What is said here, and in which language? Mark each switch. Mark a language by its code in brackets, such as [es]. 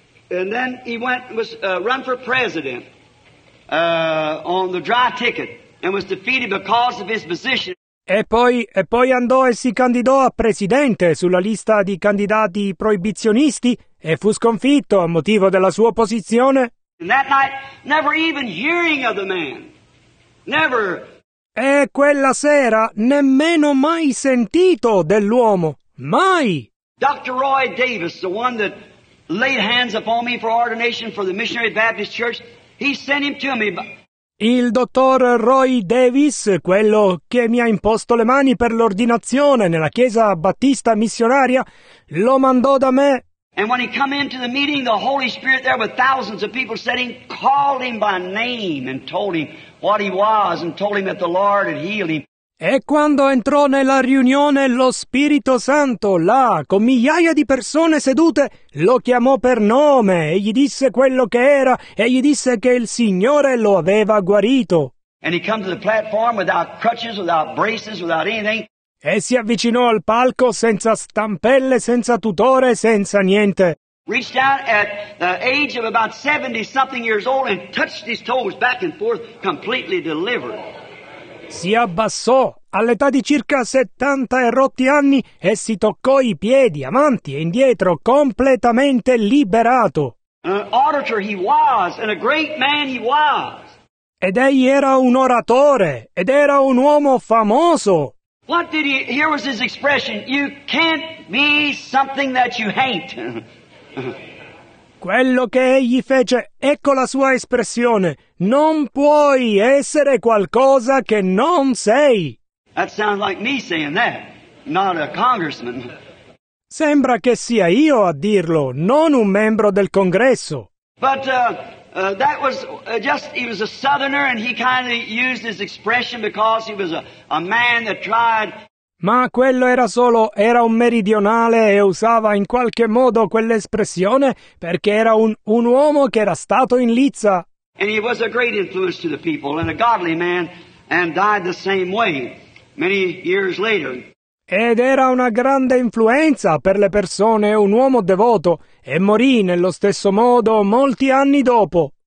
[en] And then he went was run for president on the dry ticket and was defeated because of his position. [it] E poi andò e si candidò a presidente sulla lista di candidati proibizionisti e fu sconfitto a motivo della sua posizione. [en] And that night, never even hearing of the man. Never. [it] E quella sera nemmeno mai sentito dell'uomo. Mai! [en] Dr. Roy Davis, the one that laid hands upon me for ordination for the Missionary Baptist Church, he sent him to me. [it] Il dottor Roy Davis, quello che mi ha imposto le mani per l'ordinazione nella Chiesa Battista Missionaria, lo mandò da me. [en] And when he came into the meeting, the Holy Spirit there with thousands of people sitting called him by name and told him what he was and told him that the Lord had healed him. [it] E quando entrò nella riunione, lo Spirito Santo, là, con migliaia di persone sedute, lo chiamò per nome e gli disse quello che era e gli disse che il Signore lo aveva guarito. [en] And he came to the platform without crutches, without braces, without anything. [it] E si avvicinò al palco senza stampelle, senza tutore, senza niente. [en] Reached out at the age of about 70-something years old and touched his toes back and forth, completely delivered. [it] Si abbassò all'età di circa 70 e rotti anni e si toccò i piedi, avanti e indietro, completamente liberato. [en] An orator he was, and a great man he was. [it] Ed egli era un oratore, ed era un uomo famoso. [en] What did he, here was his expression, you can't be something that you hate. [it] Quello che egli fece, ecco la sua espressione, non puoi essere qualcosa che non sei. [en] That sounds like me saying that, not a congressman. [it] Sembra che sia io a dirlo, non un membro del congresso. [en] But that was just, he was a southerner and he kind of used his expression because he was a man that tried. [it] Ma quello era solo, era un meridionale e usava in qualche modo quell'espressione perché era un uomo che era stato in lizza. [en] And he was a great influence to the people and a godly man and died the same way many years later. [it] Ed era una grande influenza per le persone, un uomo devoto, e morì nello stesso modo molti anni dopo.